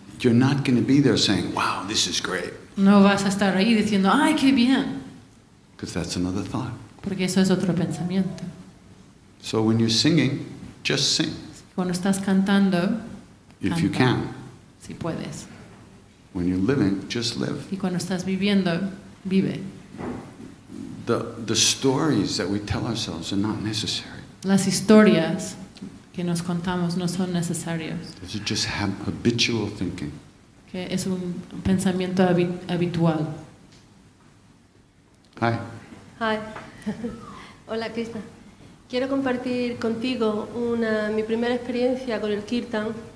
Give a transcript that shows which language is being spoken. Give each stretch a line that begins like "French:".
English: you're not going to be there saying, "Wow, this is great."
Spanish: No vas a estar ahí diciendo, "Ay, qué bien."
English: Because that's another thought.
Spanish: Porque eso es otro pensamiento.
English: So when you're singing, just sing.
Spanish: Cuando estás cantando,
English: if
Spanish: canta,
English: you can.
Spanish: Si puedes.
English: When you're living, just live.
Spanish: Y cuando estás viviendo, vive.
English: The stories that we tell ourselves are not necessary.
Spanish: Las historias que nos contamos no son necesarias.
English: It's just habitual thinking.
Spanish: Que es un pensamiento habitual.
English: Hi. Hi.
Spanish: Hola,
English: Krishna.
Spanish: Quiero compartir contigo mi primera experiencia con el Kirtan.